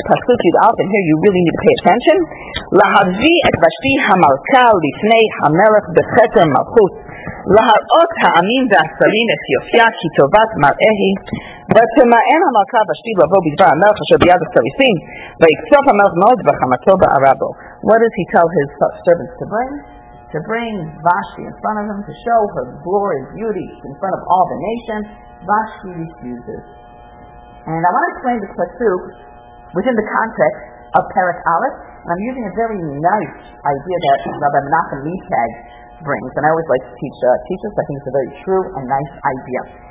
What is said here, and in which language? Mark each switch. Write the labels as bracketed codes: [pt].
[en] Pasuk Yud-Alf, and here you really need to pay attention. [he] Lahavi et Vashti hamalka lifnei hamelech b'cheter malchut. להראות העמים והשרים את יופיה כי טובת מראהי ותמען המלכה ושתי לבוא בדבר המלך אשר ביד הסריסים ויקצוף המלך מאוד וחמתו בערה בו. [en] What does he tell his servants to bring? To bring Vashti in front of him, to show her glory and beauty in front of all the nations. Vashti refuses. And I want to explain this pasuk within the context of Perek Aleph. And I'm using a very nice idea that Rabbi Menachem Mitag brings, and I always like to teach us. I think it's a very true and nice idea.